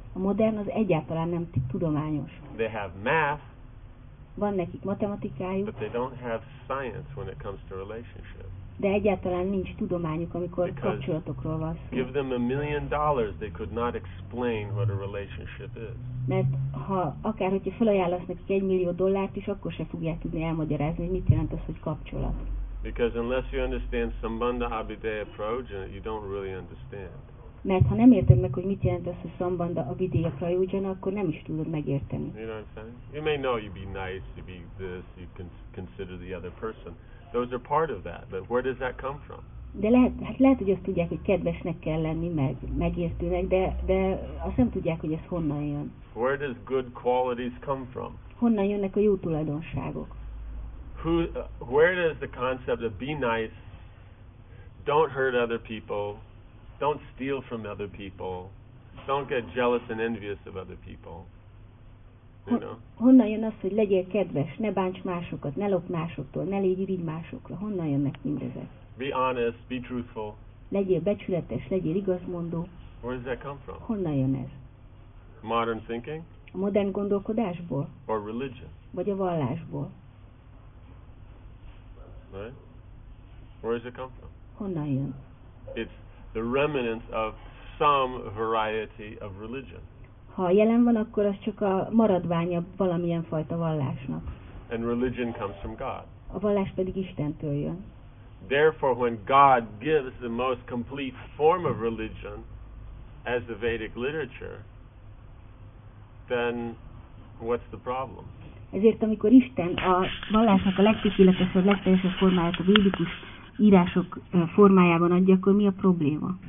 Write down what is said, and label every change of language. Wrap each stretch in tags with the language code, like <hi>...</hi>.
<hu>A modern az egyáltalán nem tudományos.</hu> <en>They have math.</en> <hu>Van nekik matematikájuk,</hu> <en>but they don't have science when it comes to relationship.</en> <hu>De egyáltalán nincs tudományuk, amikor kapcsolatokról van szó.</hu> <en>Give them $1 million, they could not explain what a relationship is.</en> <hu>Mert ha akár hogyha felajánlasz nekik $1 millió, is akkor sem fogják tudni elmagyarázni, hogy mit jelent az, hogy kapcsolat.</hu> <en>Because unless you understand sambandha abhideya prayojana, you don't really understand.</en> <hu>Mert ha nem érted meg, hogy mit jelent az, hogy szambanda a vidéja prajúgyana, akkor nem is tudod megérteni.</hu> <en>You know what I'm saying? You may know you be nice, you be this, you consider the other person. Those are part of that, but where does that come from?</en> <hu>De lehet, hogy azt tudják, hogy kedvesnek kell lenni, meg megértőnek, de azt nem tudják, hogy ez honnan jön.</hu> <en>Where does good qualities come from?</en> <hu>Honnan jönnek a jó tulajdonságok?</hu> <en>Where does the concept of be nice, don't hurt other people, don't steal from other people, don't get jealous and envious of other people. You know?</en> <hu>Honnan jön az, hogy legyél kedves, ne bánts másokat, ne lopj másoktól, ne légy irigy másokra. Honnan jönnek mindezek?</hu> <en>Be honest, be truthful.</en> <hu>Legyél becsületes, legyél igazmondó.</hu> <en>Where does that come from?</en> <hu>Honnan jön ez?</hu> <en>Modern thinking?</en> <hu>A modern gondolkodásból.</hu> <en>Or religion?</en> <hu>Vagy a vallásból.</hu> <en>Right? Where does it come from?</en> <hu>Honnan jön?</hu> <en>It's the remnants of some variety of religion.</en> <hu>Ha jelen van, akkor az csak a maradványa valamilyen fajta vallásnak.</hu> <en>And religion comes from God.</en> <hu>A vallás pedig Istentől jön.</hu> <en>Therefore, when God gives the most complete form of religion as the Vedic literature, then what's the problem?</en> <hu>Ezért, amikor Isten a vallásnak a legtökéletesebb, legteljesebb formáját a védikus írások formájában adja, akkor mi a probléma?</hu>